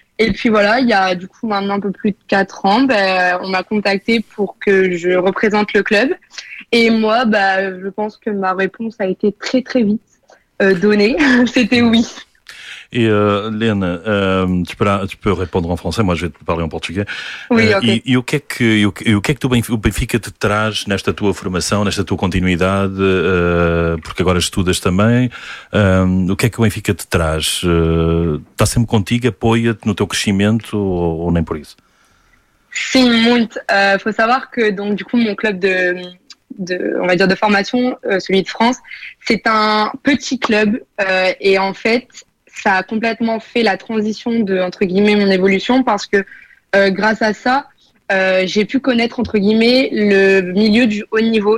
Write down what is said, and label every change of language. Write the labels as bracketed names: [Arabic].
[French] Et puis voilà, il y a du coup maintenant un peu plus de 4 ans, bah, on m'a contacté pour que je représente le club. Et moi, bah, je pense que ma réponse a été très très vite donnée. C'était oui. Et Léane, tu peux répondre en français, moi je vais te parler en portugais. Oui, ok. [Portuguese] E o que é que o Benfica te traz nesta tua formação, nesta tua continuidade, porque agora estudas também, o que é que o Benfica te traz? Está sempre contigo, apoia-te no teu crescimento ou nem por isso? Sim, muito. [French] Faut savoir que, donc, du coup, mon club on va dire de formation, celui de France, c'est un petit club et en fait, ça a complètement fait la transition de, entre guillemets, mon évolution parce que grâce à ça, j'ai pu connaître, entre guillemets, le milieu du haut niveau.